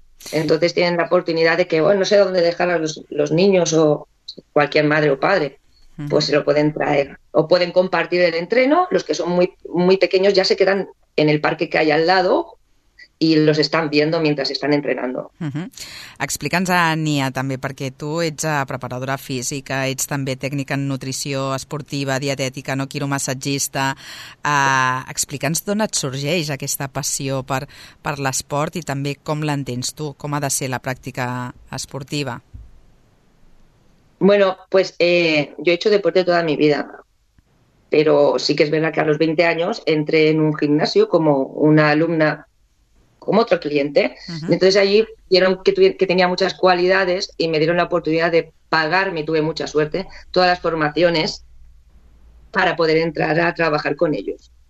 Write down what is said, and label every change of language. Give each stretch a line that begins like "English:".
Spanish: Entonces tienen la oportunidad de que, no sé dónde dejar a los niños o cualquier madre o padre, pues se lo pueden traer. O pueden compartir el entreno. Los que son muy, muy pequeños ya se quedan en el parque que hay al lado y los están viendo mientras están entrenando. Uh-huh.
Catalan: Explica'ns, Nia, també, perquè tu ets preparadora física, ets també tècnica en nutrició esportiva, dietètica, no quiromassatgista. Explica'ns d'on et sorgeix aquesta passió per l'esport i també com l'entens tu, com ha de ser la pràctica esportiva.
Spanish: Bueno, pues yo he hecho deporte toda mi vida, pero sí que es verdad que a los 20 años entré en un gimnasio como una alumna, como otro cliente. Uh-huh. Entonces allí vieron que tenía muchas cualidades y me dieron la oportunidad de pagarme, tuve mucha suerte, todas las formaciones para poder entrar a trabajar con ellos.